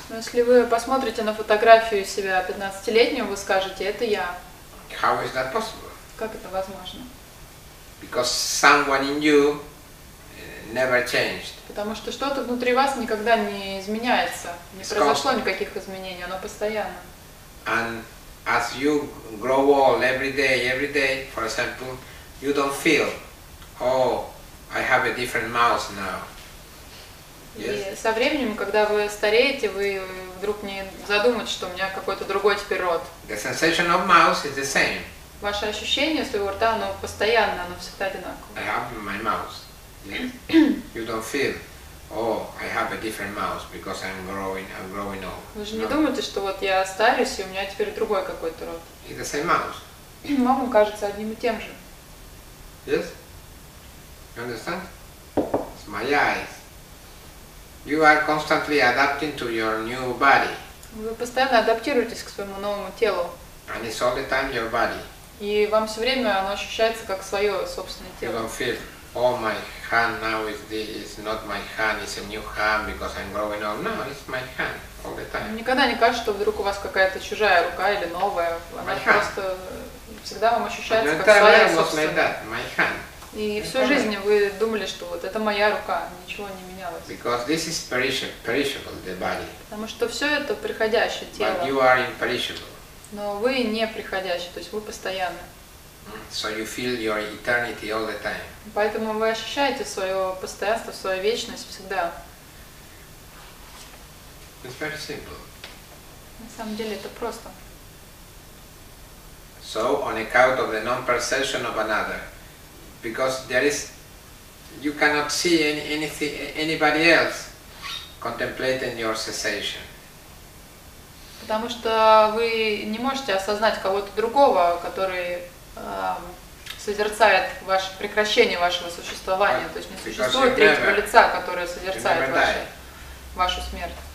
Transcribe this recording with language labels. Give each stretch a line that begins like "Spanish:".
Russian: Но если вы посмотрите на фотографию себя 15-летнего, вы скажете, это я.
English: How is that possible?
Russian: Как это возможно?
English: Because someone in you never changed.
Russian: Потому что что-то внутри вас никогда не изменяется, не
English: It's
Russian: произошло
English: constant.
Russian: Никаких изменений, оно постоянно.
English: And as you grow old every day, for example, you don't feel, oh, I have a different mouth now. Yes.
Russian: И со временем, когда вы стареете, вы вдруг не задумываете, что у меня какой-то другой теперь рот.
English: The sensation of mouth is the same.
Russian: Ваше ощущение своего рта, оно постоянно, оно всегда одинаково.
English: I have my mouth. You don't feel. Oh, I have a different mouth because I'm growing old.
Russian: Вы же не думаете, что вот я старюсь, и у меня теперь другой какой-то рот.
English: It's the same mouth.
Russian: Мама кажется одним и тем же.
English: Yes? You understand? It's my eyes. You are constantly adapting to your new body.
Russian: Вы постоянно адаптируетесь к своему новому телу.
English: And it's all the time your body.
Russian: И вам все время оно ощущается как свое собственное тело.
English: You don't feel. Oh, my hand now is not my hand, it's a new hand because I'm growing old. No, it's my hand all the time.
Russian: Никогда не кажется, что вдруг у вас какая-то чужая рука или новая. Она просто всегда вам ощущается как своя собственная.
English: Was like that, my hand.
Russian: И всю жизнь вы думали, что вот это моя рука, ничего не менялось.
English: Because this is perishable, the body.
Russian: Потому что все это приходящее тело.
English: But you are imperishable.
Russian: Но вы не приходящий, то есть вы постоянно.
English: So you feel your eternity all the time.
Russian: Поэтому вы ощущаете свое постоянство, свою вечность всегда.
English: It's very simple.
Russian: На самом деле это просто.
English: So on account of the non-perception of another, because there is, you cannot see anybody else contemplating your cessation.
Russian: Потому что вы не можете осознать кого-то другого, который созерцает ваше прекращение вашего существования, то есть не существует третьего лица, которое созерцает вашу смерть.